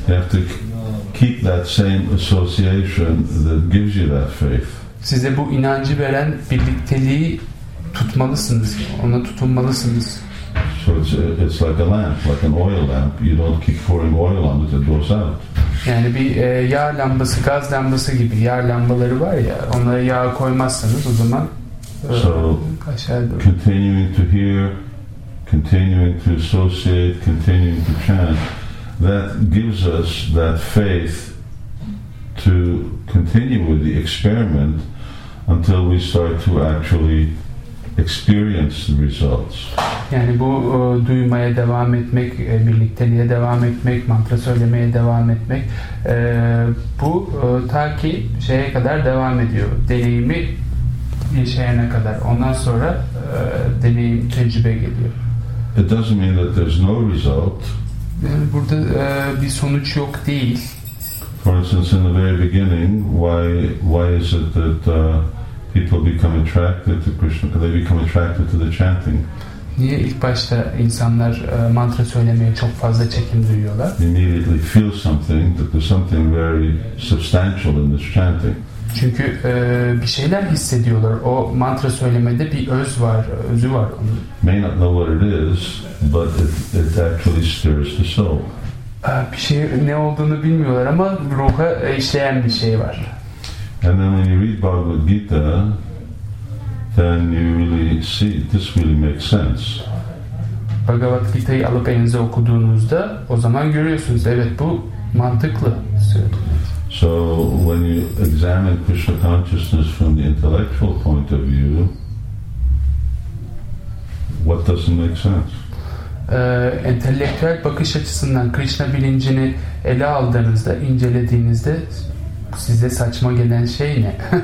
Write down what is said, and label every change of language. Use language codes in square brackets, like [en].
[en] You have to keep that same association that gives you that faith. [tr] Size bu inancı veren birlikteliği tutmalısınız, ona tutunmalısınız. [en] So it's like a lamp, like an oil lamp. You don't keep pouring oil on it; it goes out. [tr] Yani bir yağ lambası, gaz lambası gibi yağ lambaları var ya. Onlara yağ koymazsanız o zaman. [en] So continuing to hear, continuing to associate, continuing to chant, that gives us that faith to continue with the experiment until we start to actually experience the results. [tr] Yani bu duymaya devam etmek, birlikteliğe devam etmek, mantra söylemeye devam etmek, bu ta ki şeye kadar devam ediyor. Deneyimi yaşayana kadar. Ondan sonra deneyim, tecrübe geliyor. [en] It doesn't mean that there's no result. [tr] Yani burada bir sonuç yok değil. [en] For instance, in the very beginning, why is it that people become attracted to Krishna? They become attracted to the chanting. [tr] Niye ilk başta insanlar mantra söylemeye çok fazla çekim duyuyorlar? [en] Immediately feel something, that there's something very substantial in this chanting. [tr] Çünkü bir şeyler hissediyorlar. O mantra söylemede bir öz var, özü var. [en] May not know what it is, but it actually stirs the soul. [tr] Bir şey ne olduğunu bilmiyorlar ama ruha işleyen bir şey var. [en] And then when you read Bhagavad Gita, then you really see this really makes sense. [tr] Bhagavad Gita'yı alıp elinize okuduğunuzda o zaman görüyorsunuz evet bu mantıklı. [en] So when you examine Krishna consciousness from the intellectual point of view, what doesn't make sense? [tr] Entelektüel bakış açısından Krishna bilincini ele aldığınızda, incelediğinizde size saçma gelen şey ne?